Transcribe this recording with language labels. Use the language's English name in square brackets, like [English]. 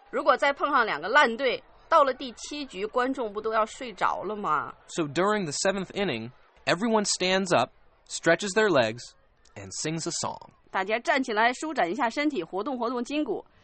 [Chinese] 如果再碰上两个烂队到了第七局观众不都要睡着了吗 [English] So during the 7th inning, everyone stands up, stretches their legs, and sings a song. [Chinese] 大家站起来舒展一下身体活动活动筋骨。